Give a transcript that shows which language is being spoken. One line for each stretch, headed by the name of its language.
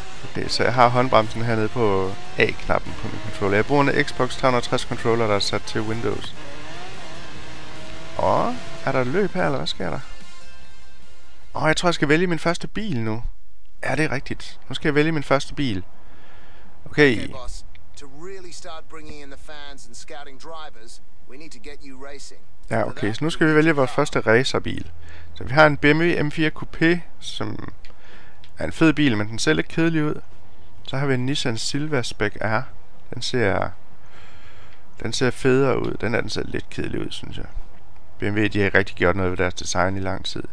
Danish: Okay, så jeg har håndbremsen hernede på A-knappen på min controller. Jeg bruger en Xbox 360 controller, der er sat til Windows. Og er der løb her, eller hvad sker der? Og jeg tror, jeg skal vælge min første bil nu. Er det rigtigt? Nu skal jeg vælge min første bil.
English: Okay. Okay, boss. To really start bringing in the fans and scouting drivers, we need to get you racing.
Danish: Ja, okay, så nu skal vi vælge vores første racerbil. Så vi har en BMW M4 Coupé, som er en fed bil, men den ser lidt kedelig ud. Så har vi en Nissan Silva Spec R. Den ser federe ud. Den ser lidt kedelig ud, synes jeg. BMW, de har ikke rigtig gjort noget ved deres design i lang tid.